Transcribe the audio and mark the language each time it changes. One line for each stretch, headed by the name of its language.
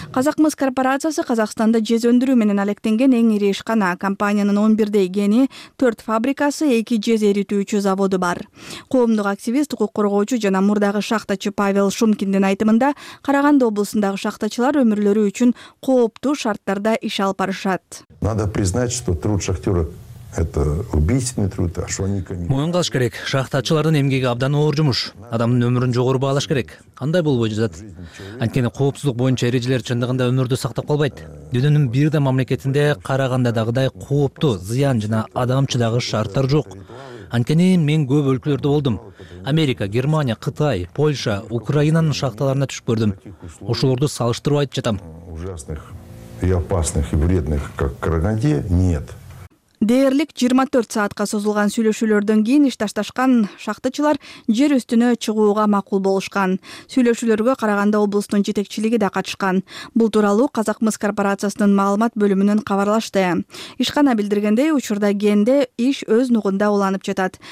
Kyrgyz: Казакмыс корпорациясы Казакстанда жез өндүрүү менен алектенген эң ири ишкана. Компаниянын 11 гени, 4 фабрикасы, 2 жез эритүүчү заводу бар. Коомдук активист, укук коргоочу жана мурдагы шахтачы Павел Шумкиндин айтымында, Караганды облусундагы шахтачылар өмүрлөрү үчүн кооптуу шарттарда иш алып барышат.
Russian: Надо признать, что труд шахтёра это убийственный труд, а что они комиссия.
Kyrgyz: Моюнгалыш керек, шахтачылардын эмгеги абдан оор жумуш. Адамдын өмүрүн жогору баалаш керек. Кандай болбой жатат? Анткени коопсуздук боюнча эрежелер чындыгында өмүрдү сактап калбайт. Дүйнөнүн бир да мамлекетинде Карагандадагыдай кооптуу, зыян жана адамчыдагы шарттар жок. Анткени мен көп өлкөлөрдө болдум. Америка, Германия, Кытай, Польша, Украинанын шахталарына түшүп көрдүм. Ошолорду салыштырып айтып жатам.
Russian: Ужасных и опасных и вредных, как в Караганде, нет.
Kyrgyz: Дээрлик 24 саатка созулган сүйлөшүүлөрдөн кийин иш ташташкан шахтачылар жер үстүнө чыгууга макул болушкан. Сүйлөшүүлөргө Караганда облусунун жетекчилиги да катышкан. Бул тууралуу Казакмыс корпорациясынын маалымат бөлүмүнөн кабарлашты. Ишкана билдиргендей, учурда кенде иш өз нугунда уланып жатат.